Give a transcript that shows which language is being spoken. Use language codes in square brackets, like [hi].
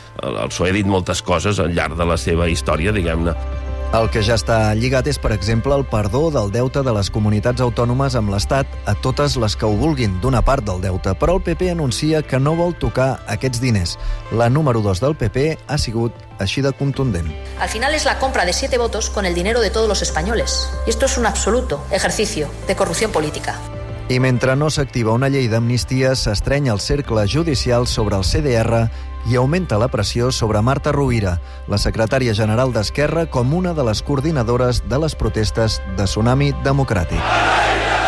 [ca] El PSOE ha dit moltes coses al llarg de la seva història, diguem-ne. El que ja està lligat és, per exemple, el perdó del deute de les comunitats autònomes amb l'Estat a totes les que ho vulguin d'una part del deute, però el PP anuncia que no vol tocar aquests diners. La número 2 del PP ha sigut així de contundent. [es] Al final es la compra de 7 votos con el dinero de todos los españoles. Y esto es un absoluto ejercicio de corrupción política. [ca] I mentre no s'activa una llei d'amnistia, s'estreny el cercle judicial sobre el CDR i augmenta la pressió sobre Marta Rovira, la secretària general d'Esquerra, com una de les coordinadores de les protestes de Tsunami Democràtic.